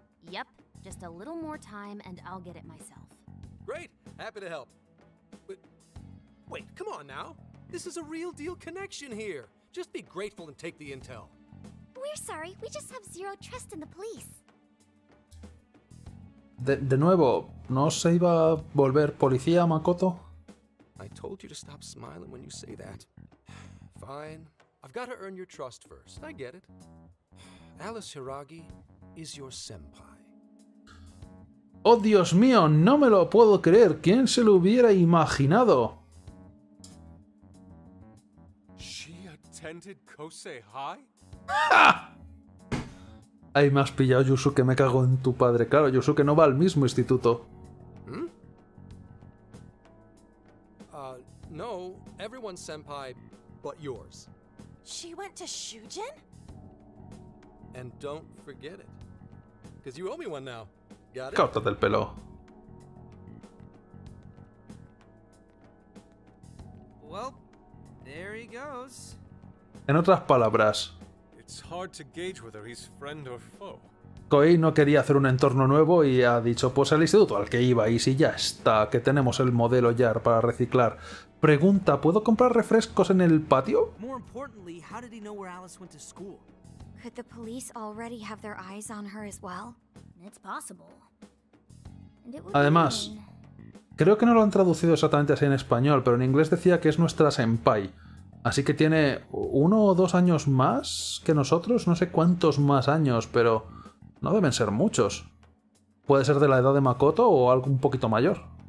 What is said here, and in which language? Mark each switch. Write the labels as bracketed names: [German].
[English] Yep, just a little more time and I'll get it myself. Great, happy to help. But, wait, come on now. This is a real deal connection here. Just be grateful and take the intel. We're sorry, we just have zero trust in the police. [Spanish] De nuevo, ¿no se iba a volver policía, Makoto? [English] I told you to stop smiling when you say that. Fine. I've got to earn your trust first. I get it. Alice Hiragi is your senpai. [Spanish] ¡Oh, Dios mío! ¡No me lo puedo creer! ¿Quién se lo hubiera imaginado? [English] She attended Kosei High? [Spanish] ¡Ah! Ay, me has pillado, Yusuke, me cago en tu padre. Claro, Yusuke no va al mismo instituto. ¿Mm? [English] No, everyone's senpai but yours. She went to Shujin? And don't forget it. Because you owe me one now. Got it? [Spanish] Córtate el pelo. [English] Well, there he goes. [Spanish] En otras palabras, [English] it's hard to gauge whether he's friend or foe. [Spanish] Koei no quería hacer un entorno nuevo y ha dicho pues al instituto al que iba y si ya está, que tenemos el modelo YAR para reciclar. Pregunta, ¿puedo comprar refrescos en el patio? [English] More importantly, how did he know where Alice went to school? Could the police already have their eyes on her as well? It's possible. [Spanish] Además, creo que no lo han traducido exactamente así en español, pero en inglés decía que es nuestra senpai. Así que tiene uno o dos años más que nosotros, no sé cuántos más años, pero no deben ser muchos. Puede ser de la edad de Makoto o algo un poquito mayor.